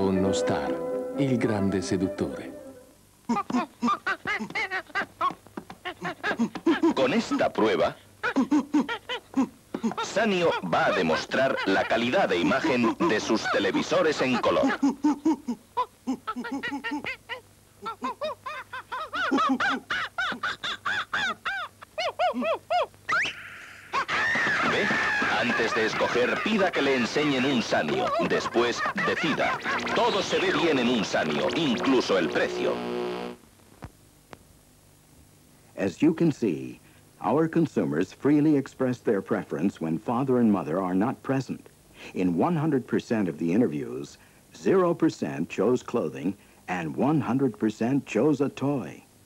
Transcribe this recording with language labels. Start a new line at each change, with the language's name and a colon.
Italian: Star, il grande seduttore.
Spanish: Con esta prueba, Sanyo va a demostrar la calidad de imagen de sus televisores en color. Antes de escoger, pida que le enseñen un Sanyo. Después, decida. Todo se ve bien en un Sanyo, incluso el precio.
English: As you can see, our consumers freely express their preference when father and mother are not present. In 100% of the interviews, 0% chose clothing and 100% chose a toy.